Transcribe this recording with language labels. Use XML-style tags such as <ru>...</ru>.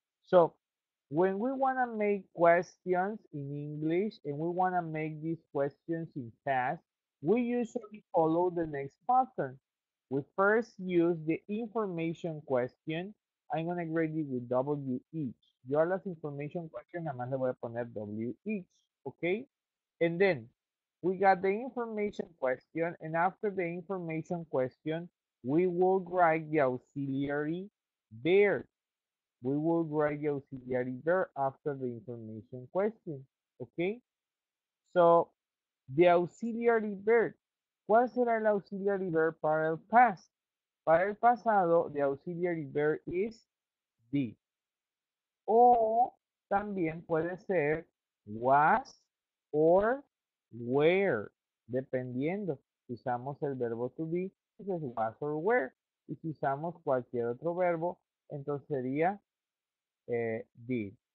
<en>So when we want to make questions in English and we want to make these questions in past, we usually follow the next pattern. We first use the information question. I'm going to grade it with W each.</en> <es>Yo las information question, nada más le voy a poner W each.</es> <en>Okay? And then we got the information question. And after the information question, we will write the auxiliary verb. We will write the auxiliary verb after the information question. Okay? So the auxiliary verb.</en> <es>¿Cuál será el auxiliary verb para el past? Para el pasado,</es> <en>the auxiliary verb is be.</en> <es>O también puede ser was or were, dependiendo. Si usamos el verbo to be, entonces was or were. Y si usamos cualquier otro verbo, entonces sería did.</es>